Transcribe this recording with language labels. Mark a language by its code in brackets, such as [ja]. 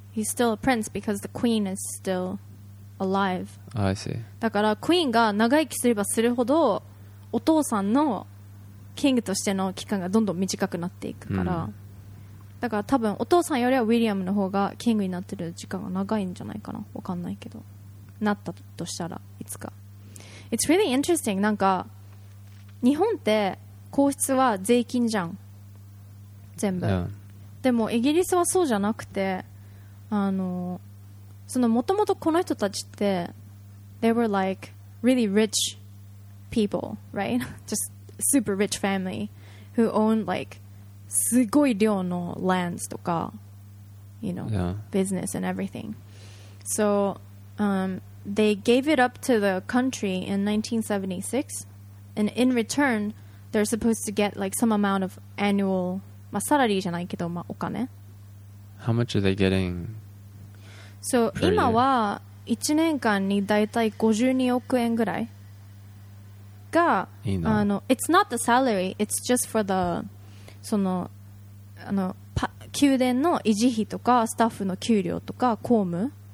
[en] He's still a prince because the queen is still alive. Oh, I see. [ja] だからクイーンが長生きすればするほどお父さんのキングとしての期間がどんどん短くなっていくから。だから多分お父さんよりはウィリアムの方がキングになってる時間が長いんじゃないかな。わかんないけど。なったとしたらいつか。 [en] It's really interesting. [ja] なんか日本って皇室は税金じゃん全部、でもイギリスはそうじゃなくてあのそのもともとこの人たちって [en] they were like really rich people right? just super rich family who owned like [ja] すごい量の [en] lands とか you know business and everything. So they gave it up to the country in 1976 and in return they're supposed to get like some amount of annual [ja] まあサラリーじゃないけどまあお金。 [en] How much are they getting? [ja] So 今は1年間にだいたい52億円ぐらいがいいのあの [en] It's not the salary it's just for the [ja] そのあの宮殿の維持費とかスタッフの給料とか公務